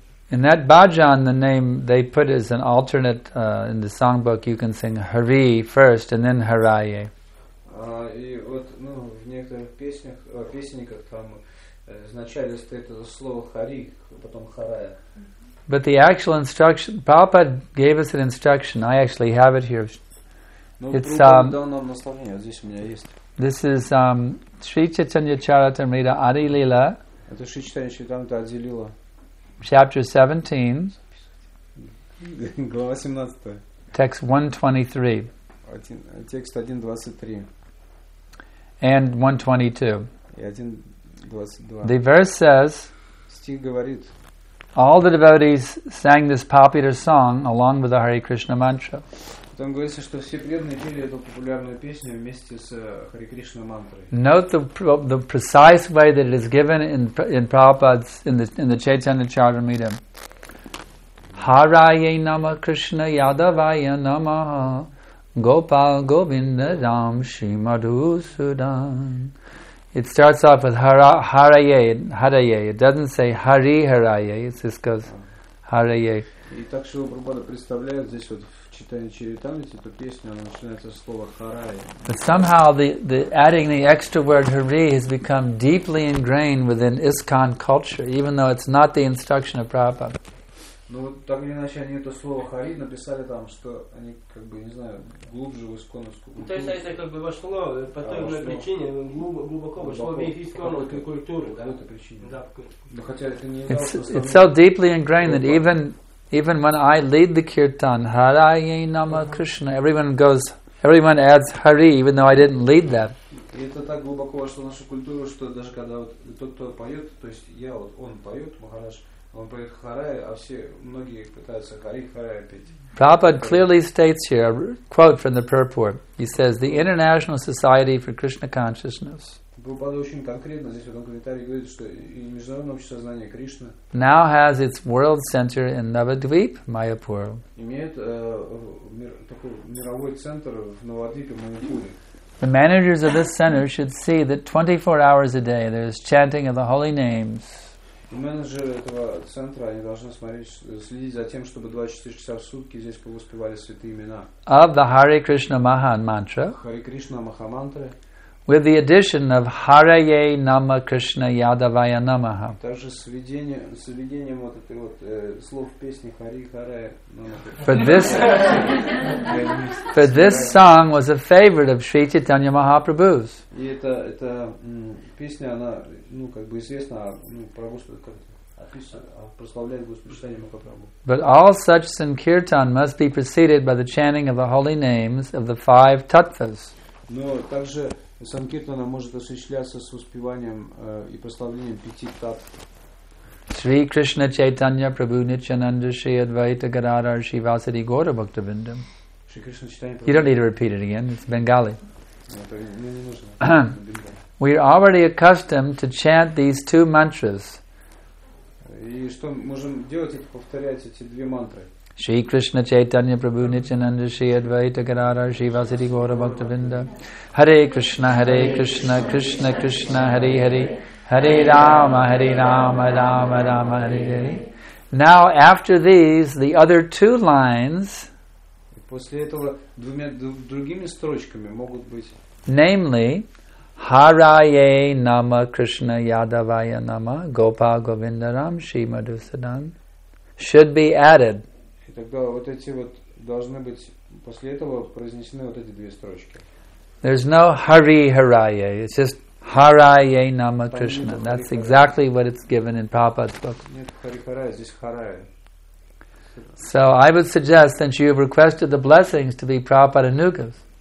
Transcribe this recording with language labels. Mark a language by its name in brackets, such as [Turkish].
[English] In that bhajan, the name they put as an alternate in the songbook, you can sing Hari first and then Harayye. [Russian] В некоторых песенниках там изначально стоит это слово Хари, потом Харая. [English] But the actual instruction, Prabhupada gave us an instruction. I actually have it here. It's This is Sri Chaitanya Charitamrita Adi Lila. [Russian] Это Шри Чайтанья Чайтамрита Ади Лила. [English] Chapter 17. [Russian] Глава 17. [English] Text 123. [Russian] Текст 123. [English] And 122. [Russian] И 122. [English] The verse says, [Russian] Стих говорит, [English] All the devotees sang this popular song along with the Hare Krishna mantra. [Russian] Там говорится, что все преданные пели эту популярную песню вместе с Хари Кришна мантрой. [English] Note the precise way that it is given in Prabhupada's in the Chaitanya Charitamrita. Haraye Nama Krishna Yadavaya Namaha Gopal Govinda Ram Shrimadusudan. It starts off with Haraye. It doesn't say Hari Haraye. It just goes Haraye. [Russian] И так что Прабхупада представляет здесь вот читание Чаритамриты, то песня она начинается с слова Харай. [English] But somehow the adding the extra word Hari has become deeply ingrained within ISKCON culture, even though it's not the instruction of Prabhupada. [Russian] Ну вот так или иначе они это слово Хари написали там, что они как бы не знаю глубже в исконовскую культуру. То есть это как бы вошло по той же причине глубоко вошло в исконовскую культуру, да? По этой причине. Да. Но хотя это не. [English] It's so deeply ingrained that even when I lead the kirtan, Haraye Nama Krishna, everyone adds Hari, even though I didn't lead that. [Russian] Это так глубоко вошло в нашу культуру, что даже когда вот тот, кто поет, то есть я вот он поет, Махарадж, он поет Харай, а все многие пытаются Хари Харай петь. [English] Prabhupada clearly states here a quote from the purport. He says the International Society for Krishna Consciousness. [Russian] Прабхупада очень конкретно здесь в этом комментарии говорит, что и Международное общество знания Кришны [English] now has its world center in Navadvip, Mayapur. [Russian] Имеет такой мировой центр в Навадвипе, Майяпуре. [English] The managers of this center should see that 24 hours a day there is chanting of the holy names. [Russian] И менеджеры этого центра они должны следить за тем, чтобы 24 часа в сутки здесь повоспевали святые имена. [English] Of the Hare Krishna Mahan Mantra. [Russian] Hare Krishna Mahamantra. [English] With the addition of Haraye Nama Krishna Yadavaya Namaha. [Russian] Также с введением вот этой вот слов песни Хари Харая Намаха. [English] For this song was a favorite of Sri Chaitanya Mahaprabhu's. [Russian] И эта песня, она, ну, как бы известна, ну, про Господа, как прославляет Господа Чайтанья Махапрабху. [English] But all such sankirtan must be preceded by the chanting of the holy names of the five tattvas. [Russian] Но также Санкиртана может осуществляться с воспеванием и прославлением пяти татв. Шри Кришна Чайтанья Прабху Нитьянанда Шри Адвайта Гададхара Шри Васади Гора Бхактавинда. Шри Кришна Чайтанья [English] Прабху. You don't need to repeat it again. It's Bengali. [Russian] Не нужно. [English] We are already accustomed to chant these two mantras. [Russian] И что можем делать, это повторять эти две мантры. [English] Shri Krishna Chaitanya Prabhu Nityananda Shri Advaita Gadara Shri Vasudevi Gaura Bhaktavinda. Hare Krishna Krishna Krishna Hare Hare, Hare Rama Rama Rama Hare Hare. Now after these, the other two lines, [Russian] после этого двумя другими строчками могут быть, [English] namely, Haraye Nama Krishna Yadavaya Nama Gopa Govindaram Shri Madhusudan, should be added. [Russian] И тогда вот эти вот должны быть после этого произнесены вот эти две строчки. [English] There's no Hari Haraye, it's just Haraye Nama Krishna. That's exactly what it's given in Prabhupada's book. [Russian] Нет Hari Haraye, здесь Haraye. [English] So I would suggest that you have requested the blessings to be Prabhupada Nugas.